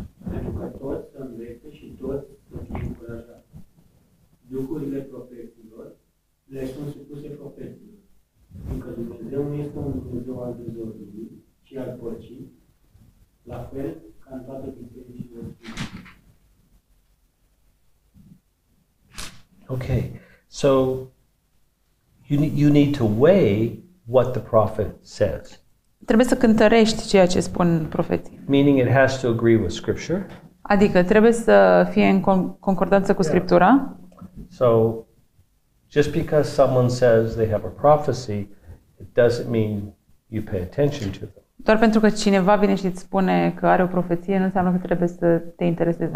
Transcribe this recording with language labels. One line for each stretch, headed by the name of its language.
Romanian: Pentru că toți să învețe și toți să fie încurajați. Duhurile profeților le sunt supuse profeților. Încă Dumnezeu nu este un Dumnezeu al dezordului, ci al păcii, la fel ca în toate bisericile.
English: Okay, so you need to weigh what the prophet says.
Romanian: Trebuie să cântărești ceea ce spun profeții.
English: Meaning it has to agree with scripture.
Romanian: Adică trebuie să fie în concordanță cu scriptura.
English: Yeah. So just because someone says they have a prophecy, it doesn't mean you pay attention to them.
Romanian: Doar pentru că cineva vine și îți spune că are o profeție, nu înseamnă că trebuie să te intereseze.